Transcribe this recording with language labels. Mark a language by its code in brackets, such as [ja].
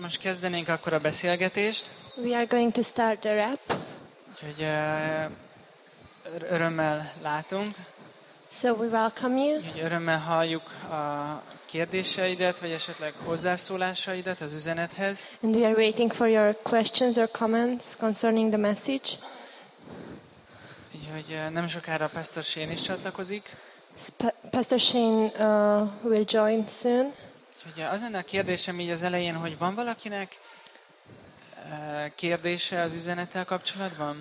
[hu] Most kezdenénk akkor a beszélgetést. [en] We are going to start the rap. [hu] Úgyhogy örömmel látunk. [en] So we welcome you. Úgyhogy [hu] örömmel halljuk a kérdéseidet, vagy esetleg hozzászólásaidat az üzenethez. [en] And we are waiting for your questions or comments concerning the message. [hu] Úgyhogy nem sokára Pastor Shane is csatlakozik. [en] Pastor Shane will join soon. [hu] Ugye az lenne a kérdésem így az elején, hogy van valakinek kérdése az üzenettel kapcsolatban?